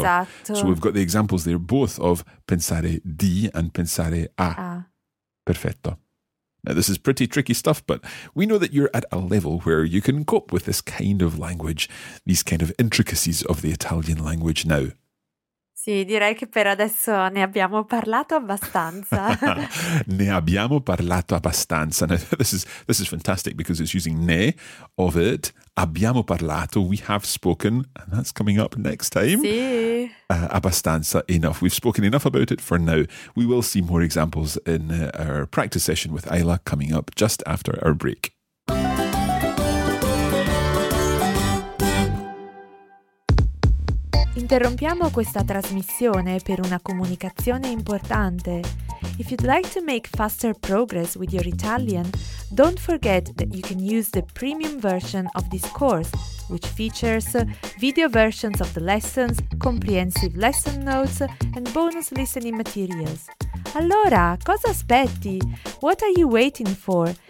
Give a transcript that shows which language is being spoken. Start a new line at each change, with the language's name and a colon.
Italian: Esatto.
English: So we've got the examples there, both of pensare di and pensare a. Ah.
Italian: Perfetto.
English: Now, this is pretty tricky stuff, but we know that you're at a level where you can cope with this kind of language, these kind of intricacies of the Italian language now.
Italian: Sì, direi che per adesso ne abbiamo parlato abbastanza. Ne abbiamo parlato abbastanza.
English: Now, this is fantastic because it's using ne of it.
Italian: Abbiamo parlato,
English: we have spoken, and that's coming up next time.
Italian: Sì.
English: Abbastanza, enough. We've spoken enough about it for now. We will see more examples in our practice session with Ayla coming up just after our break.
Italian: Interrompiamo questa trasmissione per una comunicazione importante.
English: If you'd like to make faster progress with your Italian, don't forget that you can use the premium version of this course, which features video versions of the lessons, comprehensive lesson notes, and bonus listening materials.
Italian: Allora, cosa aspetti?
English: What are you waiting for?